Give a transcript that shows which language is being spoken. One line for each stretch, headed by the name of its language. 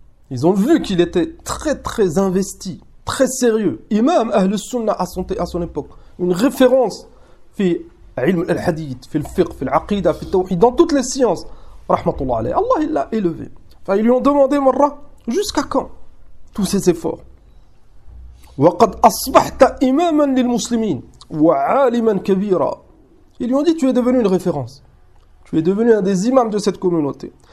French: Ils ont vu qu'il était très très investi, très sérieux. Imam Ahl-Sunnah à son époque, une référence
Arabic: fi ilm al-hadith, fi al-fiqh, fi al-aqida, fi al-tawhid,
French: dans toutes les sciences, rahmatullah alayhi. Allah il l'a élevé. Ils lui ont demandé, Marra, jusqu'à quand tous ces efforts?
Arabic: وقد أصبحت إماما للمسلمين وعالما كبيرا.
French: Ils lui ont dit, tu es devenu une référence. Tu es devenu un des imams de cette communauté.